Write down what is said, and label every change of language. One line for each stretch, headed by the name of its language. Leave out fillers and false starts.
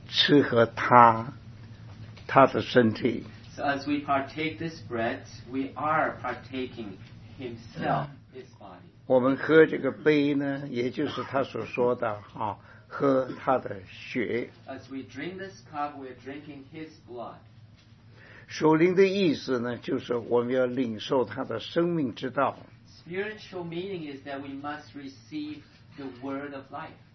Chinese: 所以我们来吃这个饼就是吃喝他的身体。
English: So as we partake this bread, we are partaking himself, his body.
Chinese: 我们喝这个杯呢，也就是他所说的喝他的血。
English: As we drink this cup, we are drinking his blood.
Chinese: 属灵的意思呢，就是我们要领受他的生命之道。
English: Spiritual meaning is that we must receive the word of life.